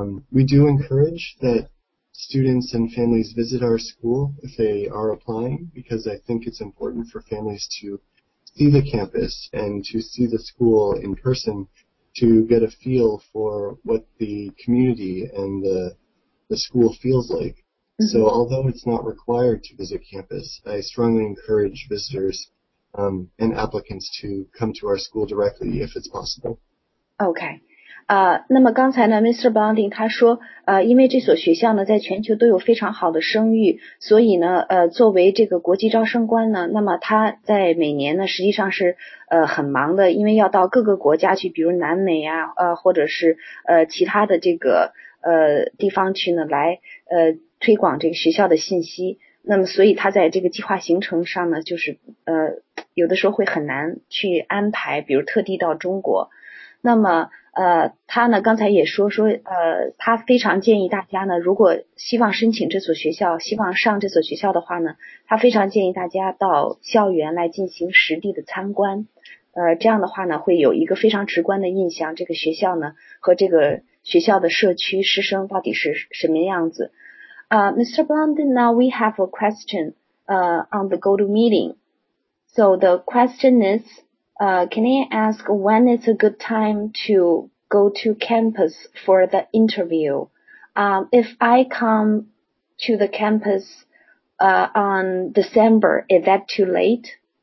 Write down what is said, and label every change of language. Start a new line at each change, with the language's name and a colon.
English: We do encourage that students and families visit our school if they are applying, because I think it's important for families to see the campus and to see the school in person to get a feel for what the community and the school feels like. So although it's not required to visit campus, I strongly encourage visitors and applicants to come to our school directly if it's possible.
Chinese: Okay. 那么刚才呢 Mr. Blonding 他说因为这所学校呢在全球都有非常好的声誉，所以呢作为这个国际招生官呢，那么他在每年呢实际上是很忙的，因为要到各个国家去，比如南美啊或者是其他的这个地方去呢来推广这个学校的信息，那么所以他在这个计划行程上呢就是有的时候会很难去安排比如特地到中国。那么他呢刚才也说他非常建议大家呢如果希望申请这所学校希望上这所学校的话呢他非常建议大家到校园来进行实地的参观，这样的话呢会有一个非常直观的印象，这个学校呢和这个学校的社区师生到底是什么样子。
English: Mr. Blondin, now we have a question on the GoToMeeting. So the question is, can I ask when is a good time to go to campus for the interview? If I come to the campus on December, is that too late?